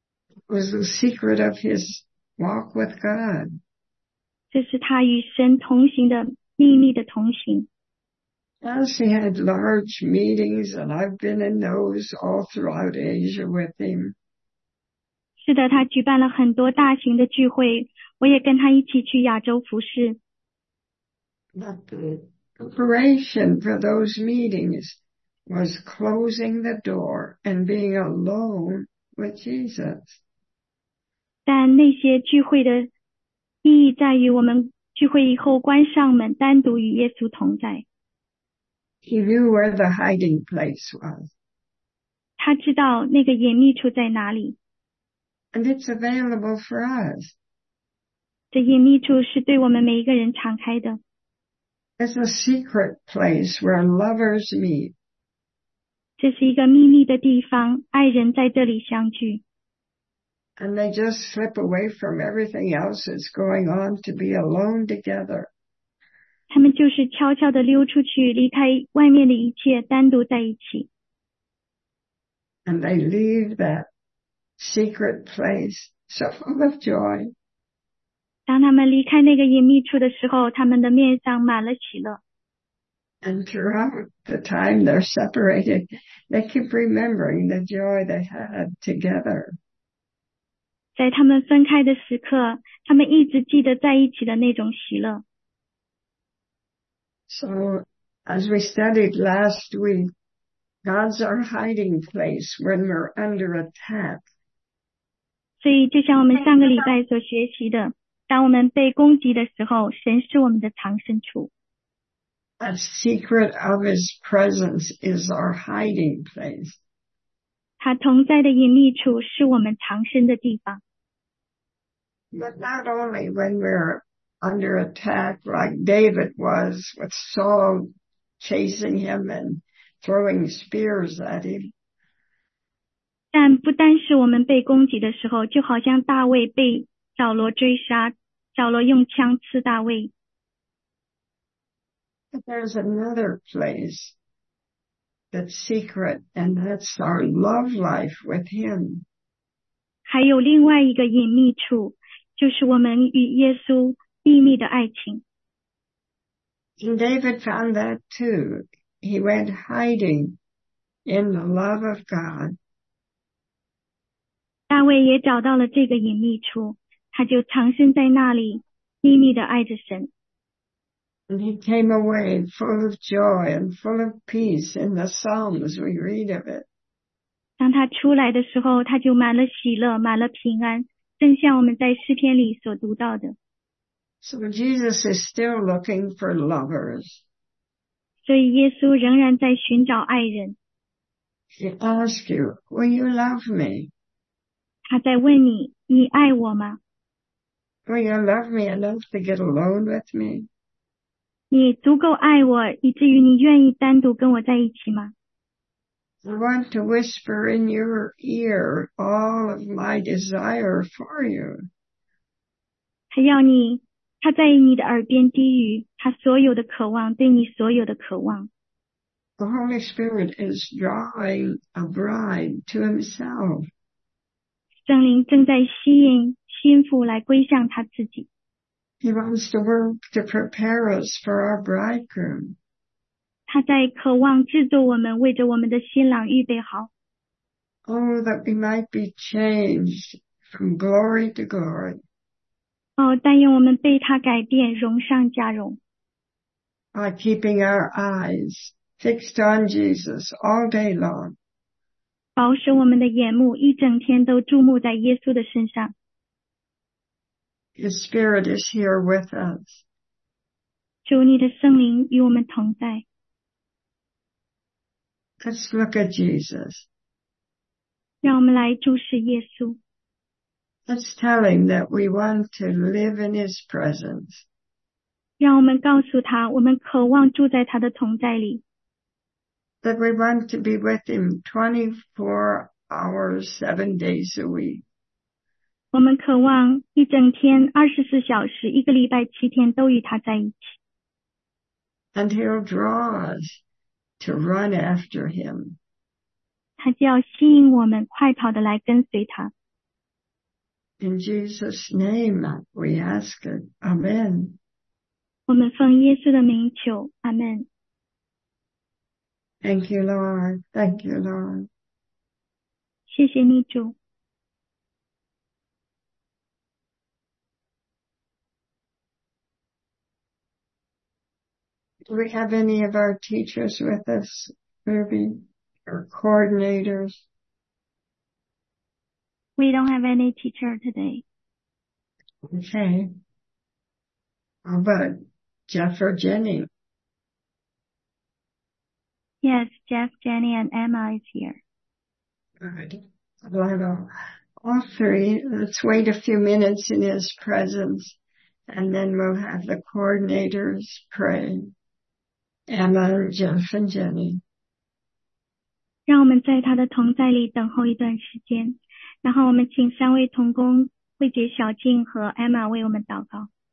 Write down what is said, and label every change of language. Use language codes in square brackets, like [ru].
[en] It was the secret of his walk with God. [zh] 这是他与神同行的秘密的同行。 [en] As he had large meetings, and I've been in those all throughout Asia with him. [zh] 是的，他举办了很多大型的聚会，我也跟他一起去亚洲服侍。 [en] But the preparation for those meetings was closing the door and being alone with Jesus. [zh] 但那些聚会的意义在于，我们聚会以后关上门，单独与耶稣同在。 [en] He knew where the hiding place was. [zh] 他知道那个隐秘处在哪里。 [en] And it's available for us. [zh] 这隐秘处是对我们每一个人敞开的。 [en] It's a secret place where lovers meet. [zh] 这是一个秘密的地方，爱人在这里相聚。 [en] And they just slip away from everything else that's going on to be alone together. [zh] 他们就是悄悄地溜出去，离开外面的一切，单独在一起。 [en] And they leave that secret place so full of joy. [zh] 当他们离开那个隐秘处的时候，他们的面上满了喜乐。 [en] And throughout the time they're separated, they keep remembering the joy they had together. [zh] 在他们分开的时刻，他们一直记得在一起的那种喜乐。 [en] So, as we studied last week, God's our hiding place when we're under attack. [zh] 所以，就像我们上个礼拜所学习的，当我们被攻击的时候，神是我们的藏身处。 [en] A secret of his presence is our hiding place. [zh] 他同在的隐秘处是我们藏身的地方。 [en] But not only when we're under attack like David was with Saul chasing him and throwing spears at him. [zh] 但不单是我们被攻击的时候，就好像大卫被扫罗追杀，扫罗用枪刺大卫。 [en] But there's another place that's secret, and that's our love life with him. [zh] 还有另外一个隐秘处，就是我们与耶稣秘密的爱情。 [en] And David found that too. He went hiding in the love of God. [zh] 大卫也找到了这个隐秘处，他就藏身在那里，秘密的爱着神。 [en] And he came away full of joy and full of peace in the Psalms we read of it. [zh] 当他出来的时候，他就满了喜乐，满了平安，正像我们在诗篇里所读到的。 [en] So Jesus is still looking for lovers. [zh] 所以耶稣仍然在寻找爱人。 [en] He asks you, will you love me? [zh] 他在问你，你爱我吗？ [en] Will you love me enough to get alone with me? [zh] 你足够爱我，以至于你愿意单独跟我在一起吗？ [en] I want to whisper in your ear all of my desire for you. [zh] 他要你，他在你的耳边低语，他所有的渴望，对你所有的渴望。 [en] The Holy Spirit is drawing a bride to himself. [zh] 圣灵正在吸引心腹来归向他自己。 [en] He wants to work to prepare us for our bridegroom. [zh] 他在渴望制作我们，为着我们的新郎预备好。 [en] Oh, that we might be changed from glory to glory. [zh] 哦，但愿我们被他改变，荣上加荣。 [en] By keeping our eyes fixed on Jesus all day long. [zh] 保守我们的眼目，一整天都注目在耶稣的身上。 [en] His Spirit is here with us. [zh] 主，你的圣灵与我们同在。 [en] Let's look at Jesus. [zh] 让我们来注视耶稣。 [en] Let's tell him that we want to live in his presence. [zh] 让我们告诉他，我们渴望住在他的同在里。 [en] That we want to be with him 24 hours, 7 days a week. [zh] 我们渴望一整天24小时一个礼拜七天都与他在一起。 [en] And he'll draw us to run after him. [zh] 他就要吸引我们快跑的来跟随他。 [en] In Jesus' name, we ask it. Amen. [zh] 我们奉耶稣的名求， Amen. [en] Thank you, Lord. Thank you, Lord. [zh] 谢谢你主。 [en] Do we have any of our teachers with us, Ruby, or coordinators? We don't have any teacher today. Okay. How about Jeff or Jenny? Yes, Jeff, Jenny, and Emma is here. All right. All three, let's wait a few minutes in his presence, and then we'll have the coordinators pray. Emma, Jeff, and Jenny. [zh] 让我们在他的同在里等候一段时间，然后我们请三位同工慧姐、小静和 Emma 为我们祷告。